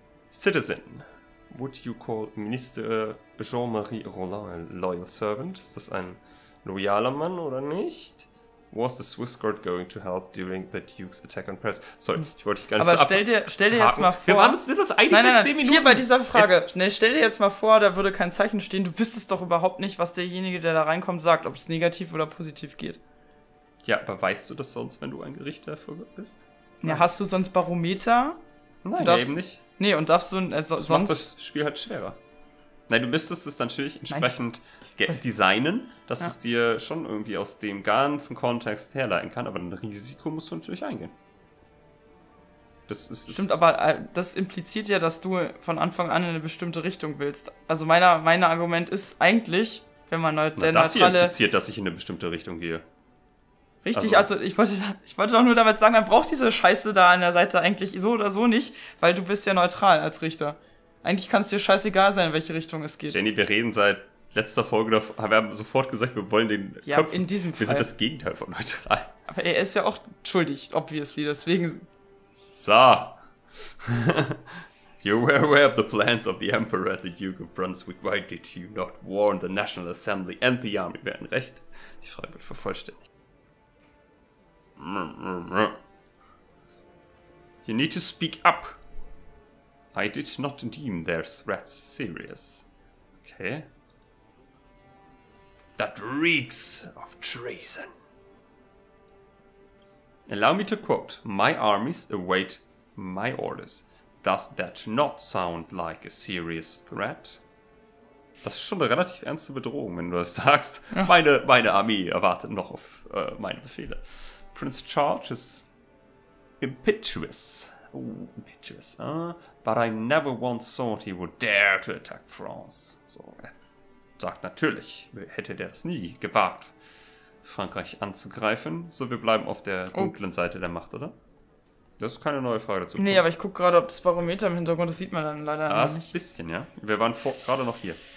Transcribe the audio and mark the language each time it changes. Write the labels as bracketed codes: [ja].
[en] Citizen, would you call Minister Jean-Marie Rolland a loyal servant? [de] Ist das ein loyaler Mann oder nicht? [en] Was the Swiss Guard going to help during the Duke's attack on Paris? [de] Sorry, ich wollte dich gar nicht so abhaken. Aber stell dir jetzt mal vor... Wir waren das eigentlich seit 10 Minuten. Hier bei dieser Frage. Stell dir jetzt mal vor, da würde kein Zeichen stehen. Du wüsstest doch überhaupt nicht, was derjenige, der da reinkommt, sagt. Ob es negativ oder positiv geht. Ja, aber weißt du das sonst, wenn du ein Gericht dafür bist? Ja, hast du sonst Barometer? Nein, darfst, eben nicht. Nee, und darfst du... sonst macht das Spiel halt schwerer. Nein, du müsstest es natürlich entsprechend designen, dass es dir schon irgendwie aus dem ganzen Kontext herleiten kann, aber ein Risiko musst du natürlich eingehen. Das ist, stimmt, aber das impliziert ja, dass du von Anfang an in eine bestimmte Richtung willst. Also mein Argument ist eigentlich, wenn man das hier impliziert, dass ich in eine bestimmte Richtung gehe. Richtig, also ich wollte doch nur damit sagen, man braucht diese Scheiße da an der Seite eigentlich so oder so nicht, weil du bist ja neutral als Richter. Eigentlich kann es dir scheißegal sein, in welche Richtung es geht. Jenny, wir reden seit letzter Folge, wir haben sofort gesagt, wir wollen den ja, Köpfen. In diesem Fall. Wir sind das Gegenteil von neutral. Aber er ist ja auch schuldig, obviously, deswegen... So. [en] You were aware of the plans of the Emperor at the Duke of Brunswick. Why did you not warn the National Assembly and the Army? [de] Wir hatten recht. Die Frage wird vervollständigt. [en] You need to speak up. I did not deem their threats serious. Okay. That reeks of treason. Allow me to quote. My armies await my orders. Does that not sound like a serious threat? [de] Das ist schon eine relativ ernste Bedrohung, wenn du das sagst. Ja. Meine Armee erwartet noch auf meine Befehle. [en] Prince Charles is impetuous. Oh, impetuous, But I never once thought he would dare to attack France. [de] So, er sagt natürlich, hätte der es nie gewagt, Frankreich anzugreifen. So, wir bleiben auf der dunklen Seite der Macht, oder? Das ist keine neue Frage dazu. Nee, aber ich gucke gerade, ob das Barometer im Hintergrund, das sieht man dann leider noch nicht. Ein bisschen, ja. Wir waren gerade noch hier.